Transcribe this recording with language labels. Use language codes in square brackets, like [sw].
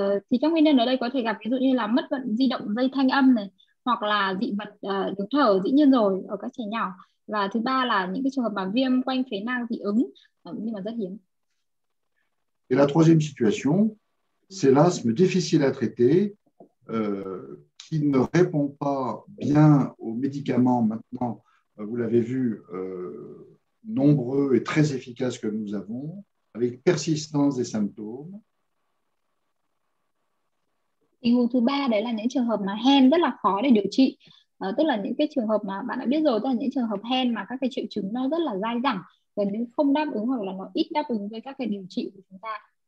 [vi] Thì trong nguyên nhân ở đây có thể gặp ví dụ như là mất vận di động dây thanh âm này, hoặc là dị vật đường thở dĩ nhiên rồi ở các trẻ nhỏ, và thứ ba là những cái trường hợp mà viêm quanh phế nang dị ứng nhưng mà rất hiếm. [fr] Et la troisième situation, c'est l'asthme difficile à traiter qui ne répond pas bien aux médicaments maintenant, vous l'avez vu, nombreux et très efficaces que nous avons, avec persistance des symptômes. [vi] Tình huống thứ ba đấy là những trường hợp mà hen rất là khó để điều trị, tức là những cái trường hợp mà bạn đã biết rồi, tức là những trường hợp hen mà các cái triệu chứng nó rất là dai dẳng, gần như không đáp ứng hoặc là nó ít đáp ứng với các cái điều trị của chúng ta.